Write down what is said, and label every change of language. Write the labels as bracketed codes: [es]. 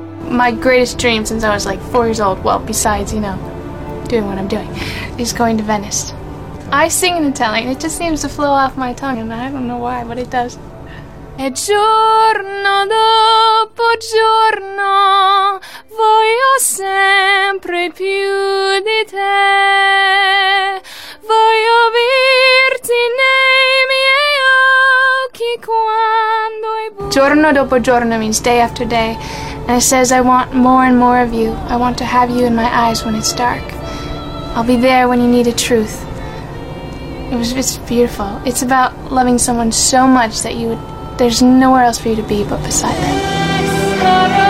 [en] My greatest dream since I was like 4 years old, well, besides, you know, doing what I'm doing, is going to Venice. I sing in Italian, it just seems to flow off my tongue, and I don't know why, but it does. [it] E giorno dopo giorno, voglio sempre più di te. Voglio dirti nei miei occhi quando è buio. Giorno dopo giorno [en] means day after day. And it says, I want more and more of you. I want to have you in my eyes when it's dark. I'll be there when you need a truth. It's beautiful. It's about loving someone so much that there's nowhere else for you to be but beside them.